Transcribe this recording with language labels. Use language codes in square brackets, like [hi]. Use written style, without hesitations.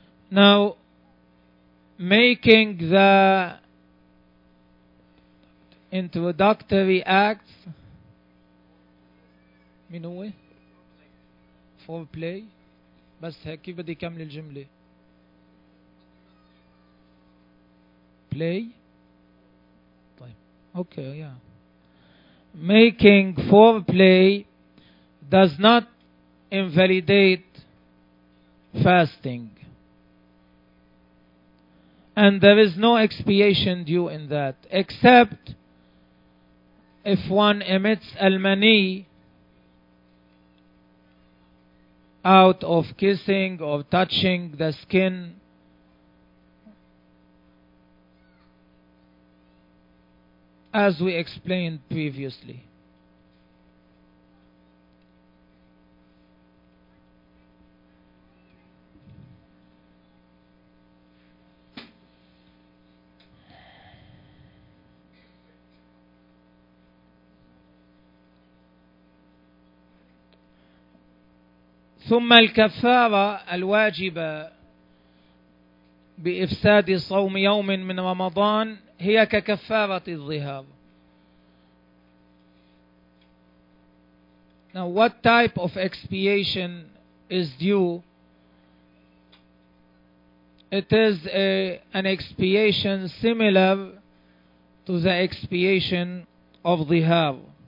[en] Now making the introductory acts, [ar] من هو foreplay بس هيك كيف بدي كمل الجملة play. طيب [en] okay, yeah, making foreplay does not invalidate fasting and there is no expiation due in that except if one emits al-mani out of kissing or touching the skin. As we explained previously, [ar] ثم الكفارة الواجبة بإفساد صوم يوم من رمضان هي ككفارة الظهار. [en] Now what type of expiation is due? It is an expiation similar to the expiation of ظهار.